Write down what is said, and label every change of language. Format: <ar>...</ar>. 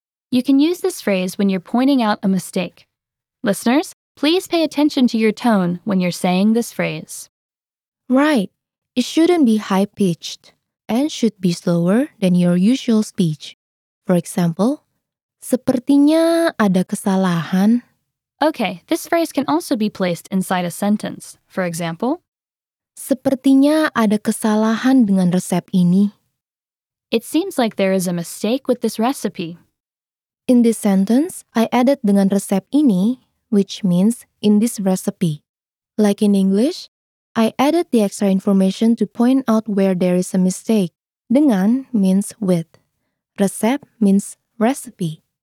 <en>You can use this phrase when you're pointing out a mistake. Listeners, please pay attention to your tone when you're saying this phrase. Right. It shouldn't be high-pitched and should be slower than your usual speech. For example,</en> <id>sepertinya ada kesalahan.</id> <en>Okay, this phrase can also be placed inside a sentence. For example,</en> <id>sepertinya ada kesalahan dengan resep ini.</id> <en>It seems like there is a mistake with this recipe. In this sentence, I added</en> <id>dengan resep ini,</id> <en>which means in this recipe. Like in English, I added the extra information to point out where there is a mistake. Dengan means with. Resep means recipe.</en>